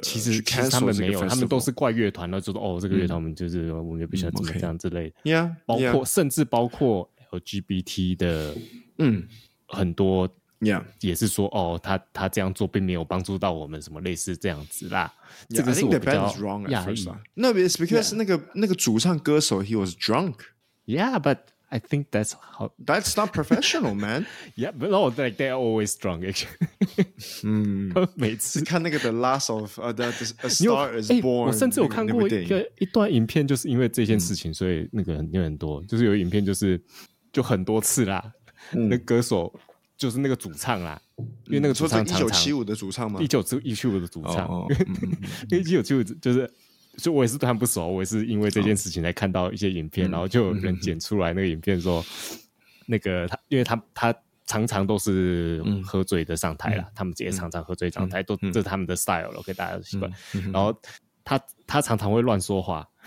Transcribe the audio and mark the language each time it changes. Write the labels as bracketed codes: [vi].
[zh] 其实他们没有，他们都是怪乐团了，就说哦，这个乐团我们就是、嗯、我们也不喜欢怎么这样之类的。嗯、okay, yeah，包括、 yeah. 甚至包括 LGBT 的，嗯，很多 Yeah. 也是说哦 他这样做并没有帮助到我们什么类似这样子啦。 Yeah, 这个是我比较 [en] I think the band is wrong at first. No, it's because [zh] 那个主唱歌手 [en] he was drunk. Yeah, but I think that's how... That's not professional, man. Yeah, but no, like, they're always drunk, actually. [zh] 每次 [en] 看那个 The Last of... A Star is Born. [zh] 我甚至有看过一段影片就是因为这件事情所以那个有很多就是有影片就是就很多次啦那歌手就是那个主唱啦因为那个主唱常常1975的主唱吗 1975的主唱因为1975就是所以我也是对他不熟我也是因为这件事情才看到一些影片、然后就有人剪出来那个影片说那个他因为他常常都是喝醉的上台啦、他们也常常喝醉上台、都这是他们的 style 了 OK 大家都习惯、然后他常常会乱说话